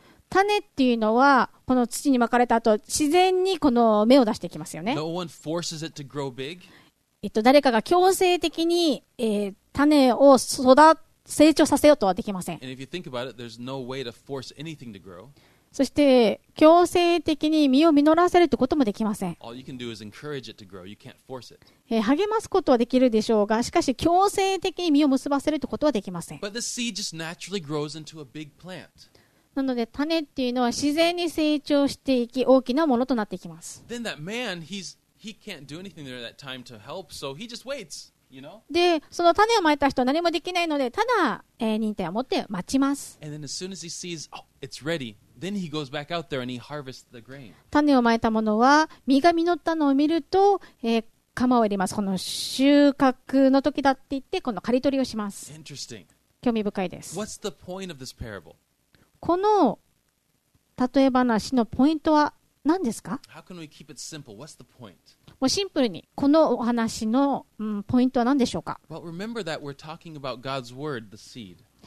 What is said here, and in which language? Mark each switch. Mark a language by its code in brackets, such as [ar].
[ja] 種っていうのはこの土にまかれた後自然にこの芽を出してきますよね。 [en] No one forces it to grow big. [ja] 誰かが強制的に、種を成長させようとはできません。 [en] And if you think about it, there's no way to force anything to grow. [ja] そして強制的に実を実らせるってこともできません。 [en] All you can do is encourage it to grow. You can't force it. [ja] 励ますことはできるでしょうが、しかし強制的に実を結ばせるってことはできません。 [en] But the seed just naturally grows into a big plant. [ja] なので種っていうのは自然に成長していき大きなものとなっていきます。 [en] Then that man, he can't do anything there at that time to help, so he just waits, you know? [ja] で、その種をまいた人は何もできないのでただ、忍耐を持って待ちます。 [en] And then as soon as he sees, oh, it's ready, then he goes back out there and he harvests the grain. [ja] 種をまいたものは実が実ったのを見ると、釜を入れます。この収穫の時だって言ってこの刈り取りをします。 [en] Interesting. [ja] 興味深いです。 [en] What's the point of this parable? [ja] この例え話のポイントは何ですか？ [en] How can we keep it simple? What's the point? [ja] もうシンプルにこのお話の、ポイントは何でしょうか？ [en] Well, remember that we're talking about God's word, the seed.